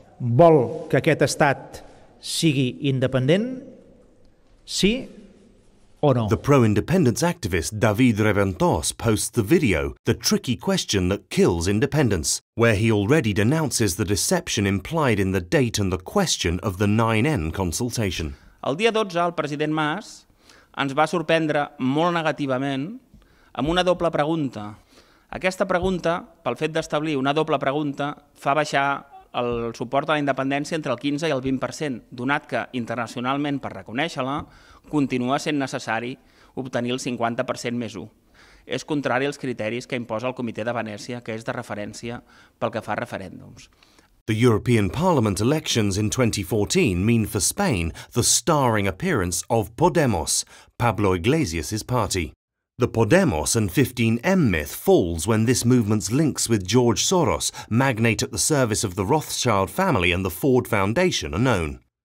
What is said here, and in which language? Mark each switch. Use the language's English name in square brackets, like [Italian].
[Catalan] Vol que aquest estat sigui independent, sí o no? [English] The pro-independence activist David Reventós posts the video, The Tricky Question That Kills Independence, where he already denounces the deception implied in the date and the question of the 9N consultation. [Catalan] El dia 12, el president Mas ens va sorprendre molt negativament amb una doble pregunta. Aquesta pregunta, pel fet d'establir una doble pregunta, fa baixar el suport a la independència entre el 15 i el 20%, donat que internacionalment, per reconèixer-la, continua sent necessari obtenir el 50% més 1. És contrari als criteris que imposa el Comitè de Venècia, que és de referència pel que fa a referèndums. [English] The European Parliament elections in 2014 mean for Spain the starring appearance of Podemos, Pablo Iglesias's party. The Podemos and 15M myth falls when this movement's links with George Soros, magnate at the service of the Rothschild family and the Ford Foundation, are known.